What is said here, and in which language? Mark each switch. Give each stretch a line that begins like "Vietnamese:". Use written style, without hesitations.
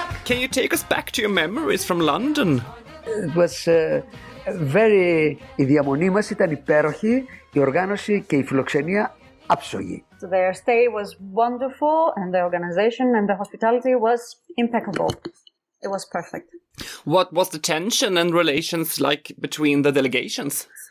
English: Can you take us back to your memories from London? It was very...
Greek: Η διαμονή μας ήταν υπέροχη, η οργάνωση και η φιλοξενία άψογη.
English: So their stay was wonderful and the organization and the hospitality was impeccable. It was perfect. What was the tension and relations like between the delegations?